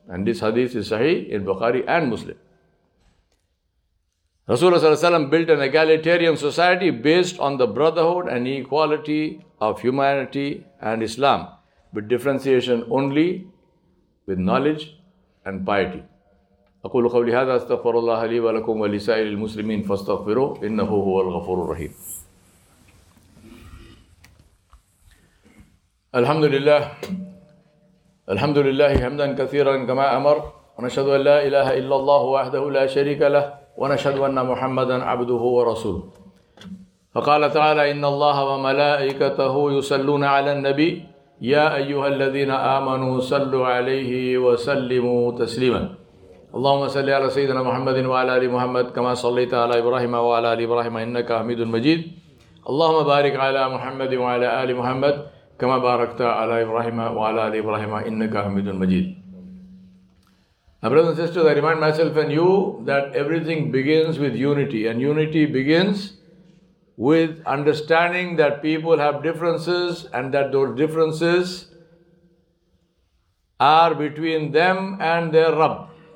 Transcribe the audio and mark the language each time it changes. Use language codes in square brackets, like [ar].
[en] And this hadith is Sahih in Bukhari and Muslim. Rasulullah ﷺ built an egalitarian society based on the brotherhood and equality of humanity and Islam, with differentiation only with knowledge and piety. [ar] أقول قولي هذا استغفر الله لي ولكم ولسائر المسلمين فاستغفروه إنه هو الغفور الرحيم. الحمد لله الحمد لله حمدا كثيرا كما أمر ونشهد أن لا إله إلا الله وحده لا شريك له ونشهد أن محمدا عبده ورسوله. فقال تعالى إن الله وملائكته يصلون على النبي يا أيها الذين آمنوا صلوا عليه وسلموا تسليما. اللهم صل على سيدنا محمد وعلى آل محمد كما صليت على إبراهيم وعلى آل إبراهيم إنك حميد مجيد. اللهم بارك على محمد وعلى آل محمد كما باركت على إبراهيم وعلى آل إبراهيم إنك حميد مجيد. [en] My brothers and sisters, I remind myself and you that everything begins with unity, and unity begins with understanding that people have differences and that those differences are between them and their Rabb.